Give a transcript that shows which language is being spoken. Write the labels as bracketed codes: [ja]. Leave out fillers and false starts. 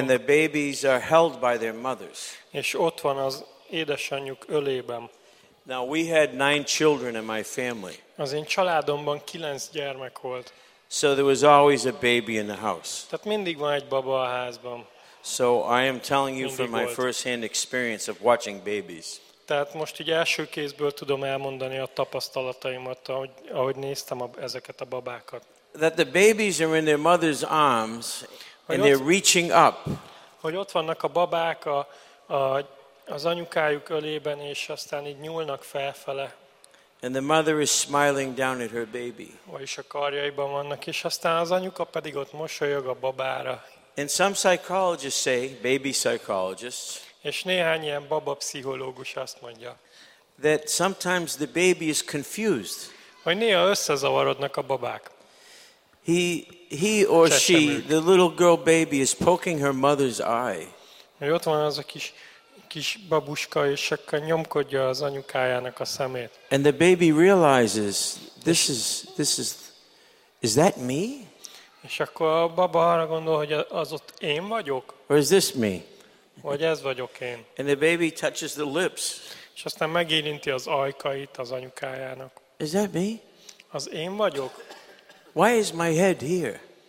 [en] And the babies are held by their mothers. [hu] És ott van az édesanyjuk ölében. [en] Now we had 9 children in my family. [hu] Az én családomban 9 gyermek volt. [en] So there was always a baby in the house. [hu] Tehát mindig van egy baba a házban. [en] So I am telling you from my first-hand experience of watching babies. [hu] Tehát most így első kézből tudom elmondani a tapasztalataimat, ahogy néztem ezeket a babákat. [en] That the babies are in their mother's arms and they're reaching up. [hu] Hogy ott vannak a babák az anyukájuk ölében, és aztán így nyúlnak felfele. [en] And the mother is smiling down at her baby. [hu] Vagyis a karjaiban vannak, és aztán az anyuka pedig ott mosolyog a babára. [en] And some psychologists say, baby psychologists, [hu] és néhány ilyen baba pszichológus azt mondja, [en] that sometimes the baby is confused. [hu] Hogy néha összezavarodnak a babák. [en] He or she, the little girl baby is poking her mother's eye. [hu] Hogy ott van az a kis babuska, és akkor nyomkodja az anyukájának a szemét. [en] And the baby realizes, this is that me? [hu] És akkor a baba arra gondol, hogy az ott én vagyok? [en] Or is this me? [hu] Vagy ez vagyok én. [en] And the baby touches the lips. [hu] És aztán megérinti az ajkait az anyukájának. [en] Is that me? [hu] Az én vagyok. [en] Why is my head here?